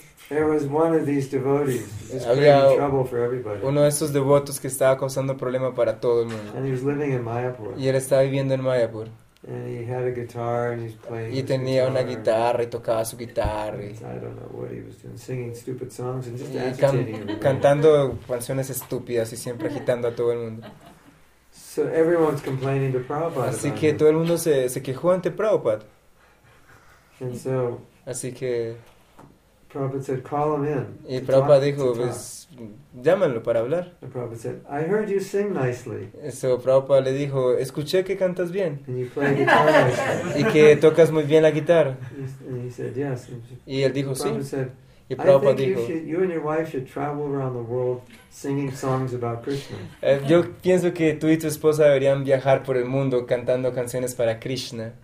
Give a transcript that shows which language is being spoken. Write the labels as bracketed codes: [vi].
[en] There was one of these devotees creating trouble for everybody. [es] Uno de esos devotos que estaba causando problema para todo el mundo. [en] And he was living in Mayapur. [es] Y él estaba viviendo en Mayapur. [en] And he had a guitar and he was playing. [es] Y tenía [en] guitar. [es] Una guitarra y tocaba su guitarra. [en] I don't know what he was doing, singing stupid songs and just agitating everybody. [es] Cantando canciones estúpidas y siempre agitando a todo el mundo. [en] So everyone's complaining to Prabhupada. [es] Así que todo el mundo se quejó ante Prabhupada. [en] And so. [es] Así que. [en] Prabhupada said, "Call him in." [es] Y Prabhupada dijo, pues, llámalo para hablar. [en] And Prabhupada said, "I heard you sing nicely." [es] So Prabhupada le dijo, escuché que cantas bien. [en] And you play guitar nicely. [es] Y que tocas muy bien la guitarra. [en] And he said, "Yes." [es] Y él dijo, sí. [en] Prabhupada said, "I think you and your wife should travel around the world singing songs about Krishna." [es] Yo pienso que tú y tu esposa deberían viajar por el mundo cantando canciones para Krishna.